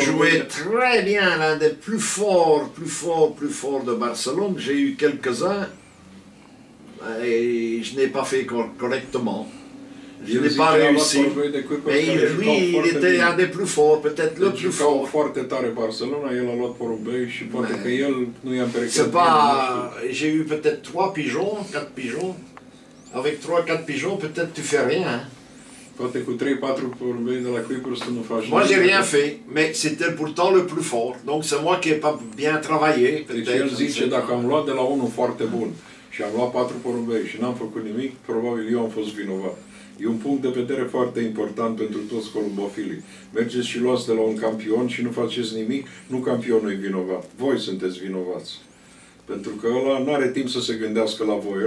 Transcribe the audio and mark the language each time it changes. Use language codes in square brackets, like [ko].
[fr] jouait très bien, l'un des plus forts de Barcelone. J'ai eu quelques-uns et je n'ai pas fait correctement. Je n'ai pas réussi. Mais lui, il était un des plus forts, peut-être le plus fort. Il jouait [ro] foarte tare Barcelona, [fr] il a [ro] luat porumbei și poate că el nu i-a împărăcat. [fr] C'est pas... J'ai eu peut-être 3 pigeons, 4 pigeons. Avec 3-4 pigeons, peut-être tu fais rien. [ro] Poate cu 3-4 porumbei de la Kuipers tu nu faci nimic. [fr] Moi, j'ai rien fait, mais c'était pourtant le plus fort. Donc, c'est moi qui n'ai pas bien travaillé. [ro] Deci el zice, dacă am luat de la unul foarte bun și am luat 4 porumbei și n-am făcut nimic, probabil eu am fost vinovat. E un punct de vedere foarte important pentru toți columbofilii. Mergeți și luați de la un campion și nu faceți nimic, nu campionul e vinovat. Voi sunteți vinovați. Pentru că ăla nu are timp să se gândească la voi.